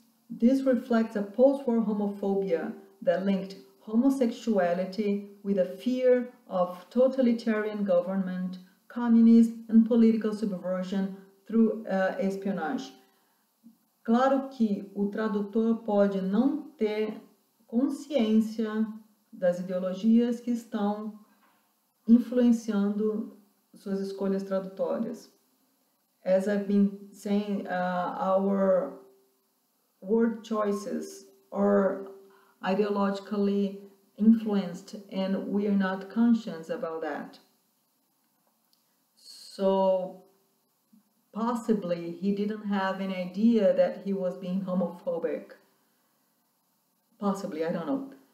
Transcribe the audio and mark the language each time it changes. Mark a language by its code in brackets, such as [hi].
[en] This reflects a post-war homophobia that linked homosexuality with a fear of totalitarian government, communism, and political subversion through espionage. [pt] Claro que o tradutor pode não ter consciência das ideologias que estão influenciando suas escolhas tradutórias. [en] As I've been saying, our word choices are ideologically influenced and we are not conscious about that. So, possibly he didn't have an idea that he was being homophobic. Possibly, I don't know.